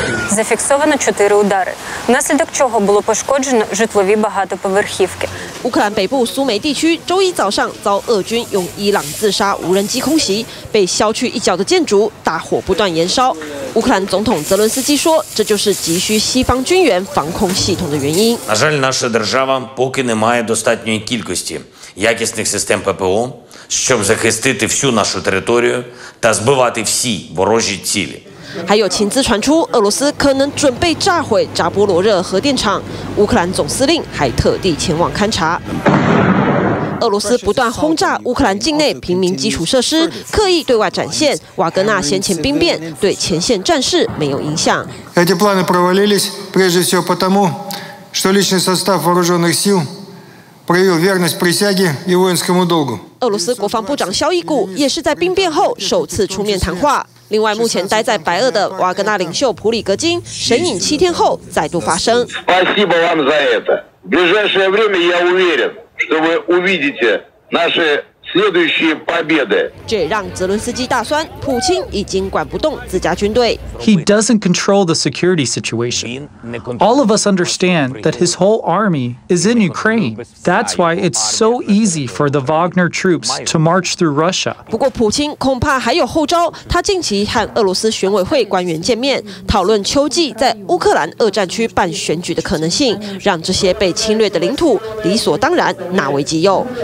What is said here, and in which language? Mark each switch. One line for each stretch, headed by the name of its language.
Ukrainian: Зафіксовано 4 удари, внаслідок чого було пошкоджено житлові багатоповерхівки.
Chinese: 乌克兰北部苏梅地区周一早上遭俄军用伊朗自杀无人机空袭，被削去一角的建筑大火不断燃烧。乌克兰总统泽伦斯基说，这就是急需西方军援防空系统的原因。
Ukrainian: На жаль, наша держава поки не має достатньої кількості якісних систем ППО, щоб захистити всю нашу територію та збивати всі ворожі цілі.
Chinese: 还有情资传出，俄罗斯可能准备炸毁扎波罗热核电厂，乌克兰总司令还特地前往勘察。俄罗斯不断轰炸乌克兰境内平民基础设施，刻意对外展现瓦格纳先前兵变对前线战事没有影响。
Russian: Эти планы провалились прежде всего потому, что личный состав вооруженных сил проявил верность присяге и воинскому долгу。
Chinese: 俄罗斯国防部长肖伊古也是在兵变后首次出面谈话。另外，目前待在白俄的瓦格纳领袖普里格金神隐七天后再度发声。
Russian: Спасибо вам за это. В ближайшее время я уверен, что вы увидите наши следующие победы.
Chinese: 这也让泽伦斯基大酸，普京已经管不动自家军队。
English: He doesn't control the security situation. All of us understand that his whole army is in Ukraine. That's why it's so easy for the Wagner troops to march through Russia.
Chinese: 不过，普京恐怕还有后招。他近期和俄罗斯选委会官员见面，讨论秋季在乌克兰二战区办选举的可能性，让这些被侵略的领土理所当然纳为己有。